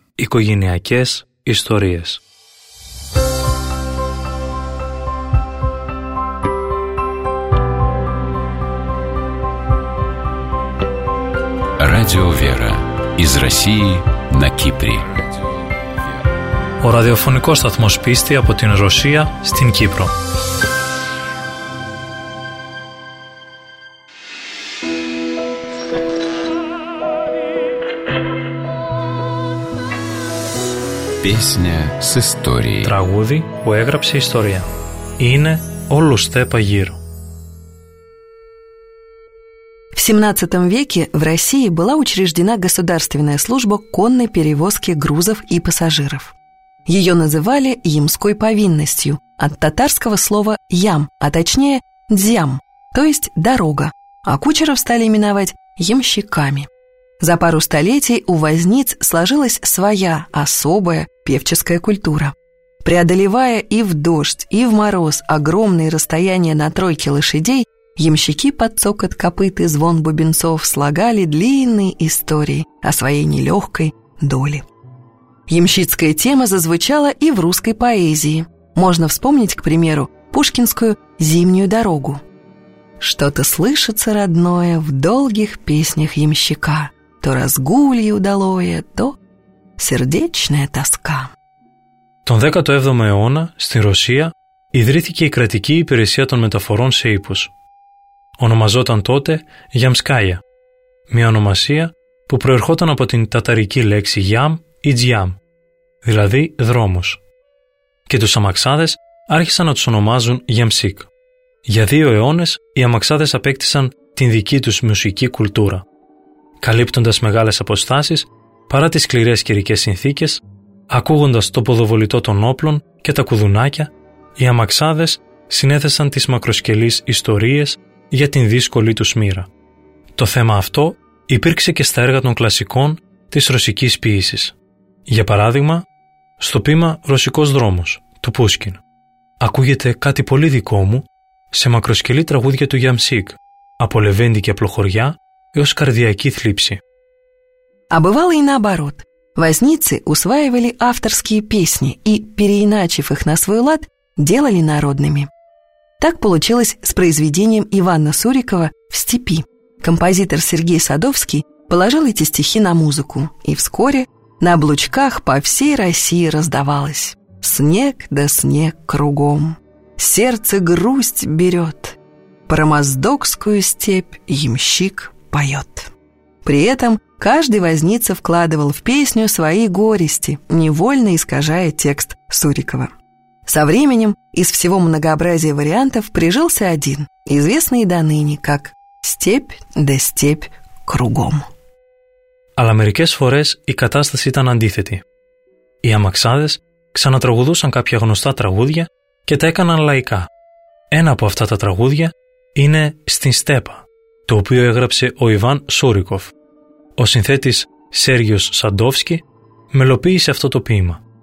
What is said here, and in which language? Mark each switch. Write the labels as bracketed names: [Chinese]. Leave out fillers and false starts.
[Greek] Οικογενειακές ιστορίες. [Russian] Радио Вера. Из России на Кипре. [Greek] О радиофонико сатмос писти από την Ρωσία στην Κύπρο. [Russian] Песня с историей. [Greek] Τραγούδι που έγραψε ιστορία. Είναι όλου στέπα γύρω. [Russian] В 17 веке в России была учреждена государственная служба конной перевозки грузов и пассажиров. Ее называли «ямской повинностью», от татарского слова «ям», а точнее «дзям», то есть «дорога», а кучеров стали именовать «ямщиками». За пару столетий у возниц сложилась своя особая певческая культура. Преодолевая и в дождь, и в мороз огромные расстояния на тройке лошадей, ямщики под цокот копыт и звон бубенцов слагали длинные истории о своей нелегкой доле. Ямщицкая тема зазвучала и в русской поэзии. Можно вспомнить, к примеру, пушкинскую «Зимнюю дорогу». «Что-то слышится, родное, в долгих песнях ямщика, то разгулье удалое, то сердечная тоска». [Greek] Тон 17-го эона, στη Ρωσία, ιδρύθηκε η κρατική υπηρεσία των μεταφορών σε ύπους. Ονομαζόταν τότε «Γιαμσκάια», μια ονομασία που προερχόταν από την ταταρική λέξη «γιαμ» ή «τζιαμ», δηλαδή «δρόμος». Και τους αμαξάδες άρχισαν να τους ονομάζουν «γιαμσίκ». Για δύο αιώνες οι αμαξάδες απέκτησαν την δική τους μουσική κουλτούρα, καλύπτοντας μεγάλες αποστάσεις παρά τις σκληρές καιρικές συνθήκες, ακούγοντας το ποδοβολητό των όπλων και τα κουδουνάκια, οι αμαξάδες συνέθεσαν τις μακροσκελείς ιστορίες για την δύσκολη του μοίρα. Το θέμα αυτό υπήρξε και στα έργα των κλασικών της ρωσικής ποίησης. Για παράδειγμα, στο ποίημα «Ρωσικός δρόμος» του Πούσκιν. ακούγεται κάτι πολύ δικό μου σε μακροσκελή τραγούδια του Γιαμσίκ, από λεβέντη και απλοχωριά έως καρδιακή θλίψη. [Russian] А бывало и наоборот. Возницы усваивали авторские песни и, переиначив их на свой лад, делали народными. Так получилось с произведением Ивана Сурикова «В степи». Композитор Сергей Садовский положил эти стихи на музыку, и вскоре на облучках по всей России раздавалось «Снег да снег кругом, сердце грусть берет, про моздокскую степь ямщик поет». При этом каждый возница вкладывал в песню свои горести, невольно искажая текст Сурикова. Со временем из всего многообразия вариантов прижился один, известный и доныне, как «Степь да степь кругом». [Greek] Αλλά μερικές φορές η κατάσταση ήταν αντίθετη. Οι αμαξάδες ξανατραγουδούσαν κάποια γνωστά τραγούδια και τα έκαναν λαϊκά. Ένα από αυτά τα τραγούδια είναι «Στην Στέπα», το οποίο έγραψε ο Ιβάν Σούρικοφ. Ο συνθέτης Σέργιος Σαντόφσκι μελοποίησε αυτό το ποίημα.